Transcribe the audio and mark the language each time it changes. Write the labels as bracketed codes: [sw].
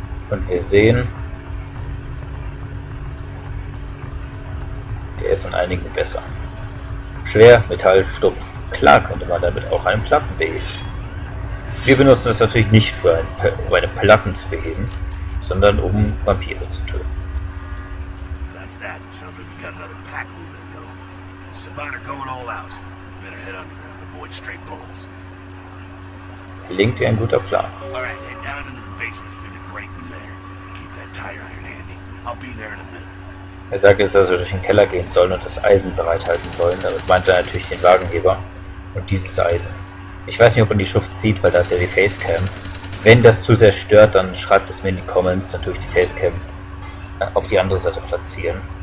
[de] Und wir sehen, der ist in einigen besser. Schwer, Metall, stumpf. Klar könnte man damit auch einen Platten beheben. Wir benutzen das natürlich nicht, um eine Platten zu beheben, sondern um Vampire zu töten. [en] That sounds like you got another pack moving in, though. Saban are going all out. You better head underground, avoid straight bullets. [de] Klingt wie ein guter Plan. [en] All right, head down into the basement through the grate in there. Keep that tire iron handy. I'll be there in a minute. [de] Er sagt jetzt, dass wir durch den Keller gehen sollen und das Eisen bereithalten sollen. Damit meint er natürlich den Wagenheber und dieses Eisen. Ich weiß nicht, ob man die Schrift sieht, weil da ist ja die Facecam. Wenn das zu sehr stört, dann schreibt es mir in die Comments, dann tue ich die Facecam auf die andere Seite platzieren.